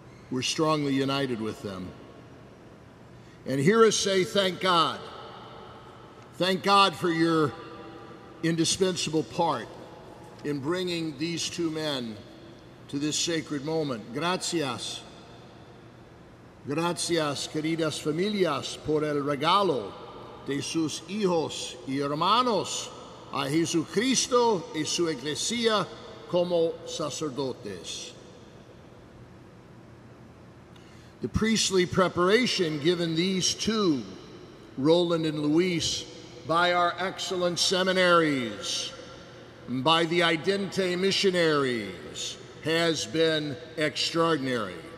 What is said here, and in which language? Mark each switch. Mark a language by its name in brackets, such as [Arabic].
[English] We're strongly united with them. And hear us say thank God. Thank God for your indispensable part in bringing these two men to this sacred moment. [Spanish] Gracias. Gracias, queridas familias, por el regalo de sus hijos y hermanos a Jesucristo y su iglesia como sacerdotes. [English] The priestly preparation given these two, Roland and Luis, by our excellent seminaries, by the Idente missionaries, has been extraordinary.